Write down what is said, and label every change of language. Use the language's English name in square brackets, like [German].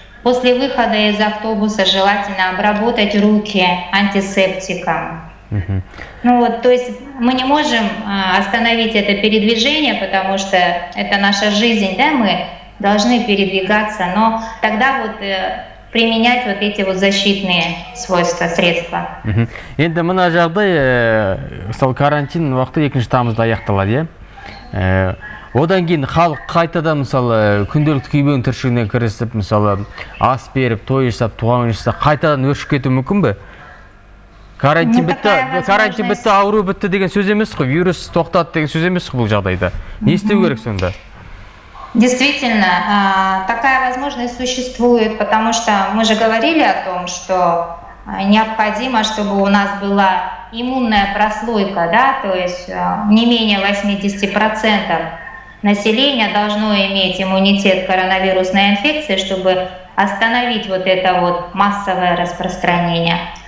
[Russian] После выхода из автобуса желательно обработать руки антисептиком. Ну вот, то есть мы не можем остановить это передвижение, потому что это наша жизнь, да, мы должны передвигаться, но тогда вот применять вот эти вот защитные свойства, средства. [Kazakh] Енді мына жағдай, сол карантин уақыты 2 тамызда аяқталады, одан кейін халық қайтадан, мысалы, күнделікті күйбең тіршілігіне кірісіп, мысалы, ас беріп, той жасап, туған жасап, қайтадан өршіп кетуі мүмкін бе? Карантин бітті, карантин бітті, ауру бітті деген сөз емес қой, вирус тоқтады деген сөз емес қой бұл жағдайда. Не істеу керек сонда? [Russian] Действительно, такая возможность существует, потому что мы же говорили о том, что необходимо, чтобы у нас была иммунная прослойка, да, то есть не менее 80% население должно иметь иммунитет к коронавирусной инфекции, чтобы остановить вот это вот массовое распространение.